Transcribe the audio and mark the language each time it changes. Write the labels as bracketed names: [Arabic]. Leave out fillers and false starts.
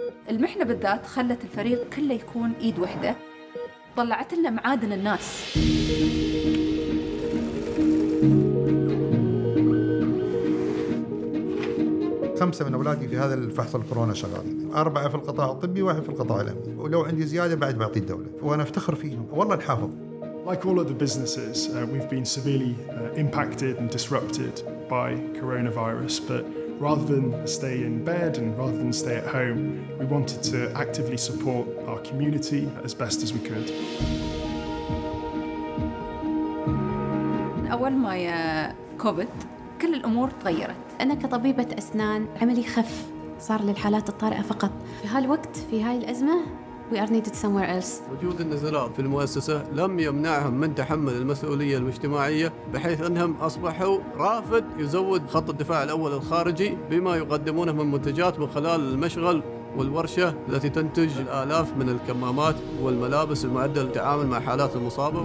[Arabic] المحنة بالذات خلت الفريق كله يكون إيد واحدة، طلعت لنا معادن الناس. خمسة من أولادي في هذا الفحص الكورونا شغالين، أربعة في القطاع الطبي واحد في القطاع الأمني، ولو عندي زيادة بعد بعطي الدولة، وأنا أفتخر فيهم والله الحافظ. [English] Like all other businesses, we've been severely impacted and disrupted by coronavirus, but rather than stay in bed and rather than stay at home, we wanted to actively support our community as best as we could. [Arabic] أول ما كوفيد كل الأمور تغيرت. أنا كطبيبة أسنان عملي خف، صار للحالات الطارئة فقط. في هالوقت في هاي الأزمة [English] we are needed somewhere else. [Arabic] وجود النزلاء في المؤسسة لم يمنعهم من تحمل المسؤولية المجتمعية، بحيث أنهم أصبحوا رافد يزود خط الدفاع الأول الخارجي بما يقدمونه من منتجات من خلال المشغل والورشة التي تنتج الآلاف من الكمامات والملابس المعدة للتعامل مع حالات المصابة.